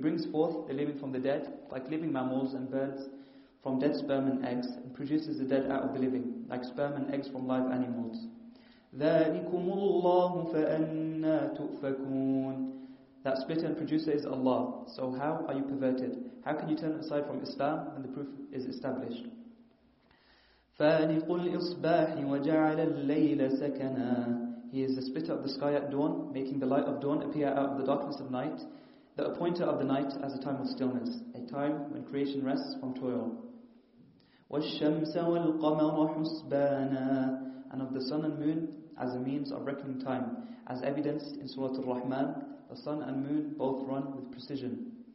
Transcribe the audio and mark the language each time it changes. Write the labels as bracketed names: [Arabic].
[English] He brings forth the living from the dead, like living mammals and birds, from dead sperm and eggs, and produces the dead out of the living, like sperm and eggs from live animals. [Arabic] ذلكم الله فأنا تؤفكون. [English] That splitter and producer is Allah. So how are you perverted? How can you turn aside from Islam when the proof is established? [Arabic] فانق الإصباح وجعل الليل سكنا. [English] He is the splitter of the sky at dawn, making the light of dawn appear out of the darkness of night. the appointer of the night as a time of stillness, a time when creation rests from toil. And of the sun and moon as a means of reckoning time, as evidenced in Surah Al-Rahman, the sun and moon both run with precision.